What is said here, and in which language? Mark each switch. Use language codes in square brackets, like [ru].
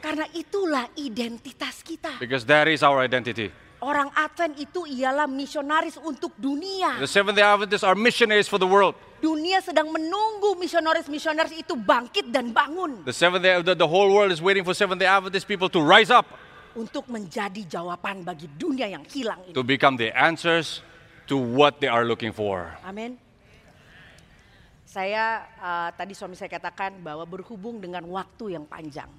[id] Karena itulah identitas kita. [en] Because that is our identity. [id] Orang Advent itu ialah misionaris untuk dunia. [en] The Seventh-day Adventists are missionaries for the world. [id] Dunia sedang menunggu misionaris-misionaris itu bangkit dan bangun. [en] The whole world is waiting for Seventh-day Adventist people to rise up. [id] Untuk menjadi jawaban bagi dunia yang hilang ini. [en] To become the answers to what they are looking for. [id] Amin. Saya tadi suami saya katakan bahwa berhubung dengan waktu yang panjang.